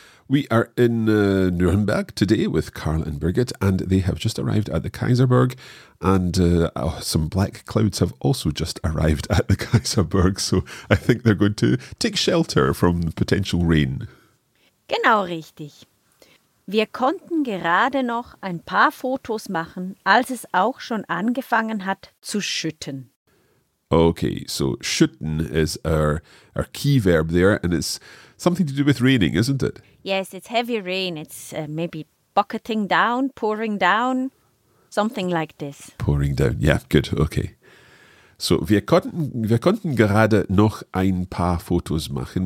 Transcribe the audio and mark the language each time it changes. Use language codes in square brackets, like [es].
[en] We are in Nuremberg today with Carl and Birgit, and they have just arrived at the Kaiserburg, and some black clouds have also just arrived at the Kaiserburg, so I think they're going to take shelter from potential rain. [de] Genau richtig. Wir konnten gerade noch ein paar Fotos machen, als es auch schon angefangen hat zu schütten. [en] Okay, so schütten is our key verb there, and it's something to do with raining, isn't it? Yes, it's heavy rain. It's maybe bucketing down, pouring down, something like this. Pouring down, yeah, good, okay. [de] So wir konnten gerade noch ein paar Fotos machen.